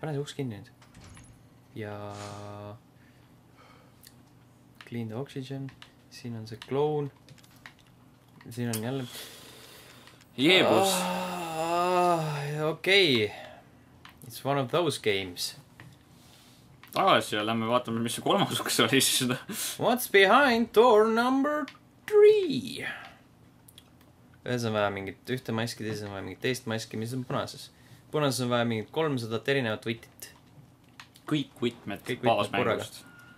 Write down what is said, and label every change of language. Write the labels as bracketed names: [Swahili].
[Estonian] pane see uks kinni nüüd . jaa . [English] Clean the oxygen [Estonian] . Siin on see clone . Siin on jälle . Jeebus . [English] Okei . It's one of those games . [Estonian] tagasi ja lähme vaatame , mis see kolmas uks oli siis . [English] What's behind door number three ? [Estonian] ühes on vaja mingit ühte maski , teises on vaja mingit teist maski , mis on punases . punases on vaja mingit 300 erinevat võtit . kõik võtmed baasmängust .